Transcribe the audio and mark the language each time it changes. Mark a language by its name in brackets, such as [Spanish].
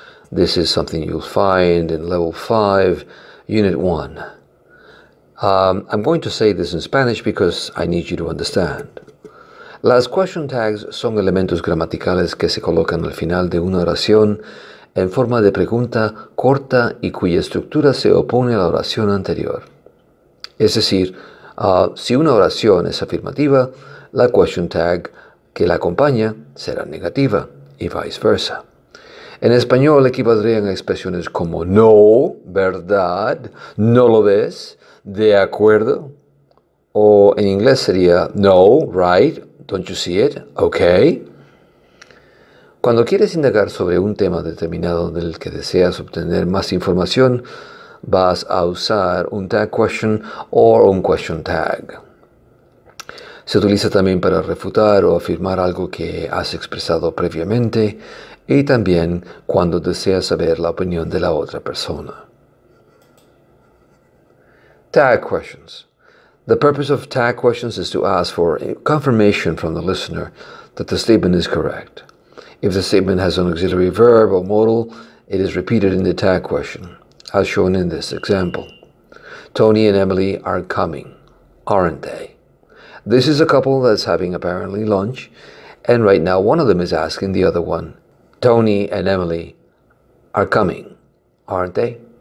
[English] This is something you'll find in Level 5, Unit 1. I'm going to say this in Spanish because I need you to understand. [Spanish] Las question tags son elementos gramaticales que se colocan al final de una oración en forma de pregunta corta y cuya estructura se opone a la oración anterior. Es decir, si una oración es afirmativa, la question tag que la acompaña será negativa, y vice versa. En español equivaldrían a expresiones como no, verdad, no lo ves, de acuerdo, o en inglés sería no, [English] right, don't you see it, okay. [Spanish] Cuando quieres indagar sobre un tema determinado del que deseas obtener más información, vas a usar un tag question o un question tag. Se utiliza también para refutar o afirmar algo que has expresado previamente y también cuando deseas saber la opinión de la otra persona. [English] Tag questions. The purpose of tag questions is to ask for confirmation from the listener that the statement is correct. If the statement has an auxiliary verb or modal, it is repeated in the tag question, as shown in this example. Tony and Emily are coming, aren't they? This is a couple that's having apparently lunch, and right now one of them is asking the other one, Tony and Emily are coming, aren't they?